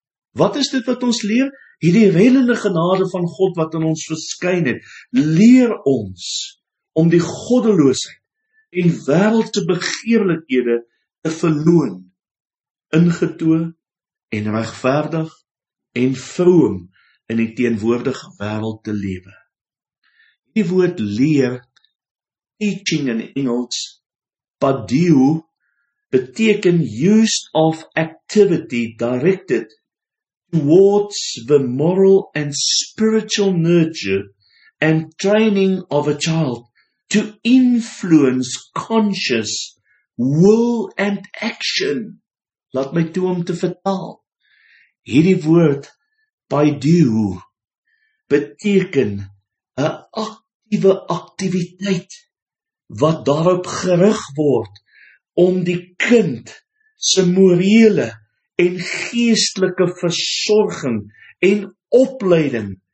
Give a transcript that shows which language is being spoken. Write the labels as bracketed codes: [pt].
[af] Wat is dit wat ons leer? Hierdie reddende genade van God wat aan ons verskyn het, leer ons om die goddeloosheid en wêreldse begeerlikhede te verloon, ingetoe en regverdig en vroom in die teenwoordige wêreld te lewe. Die woord leer, [en] teaching [af] in Engels, [en] padeo, beteken use of activity directed towards the moral and spiritual nurture and training of a child to influence conscious will and action. [af] Laat my toe om te vertaal. Hierdie woord, paideo, beteken 'n aktiewe aktiwiteit wat daarop gerig word om die kind se morele en geestelike versorging en opleiding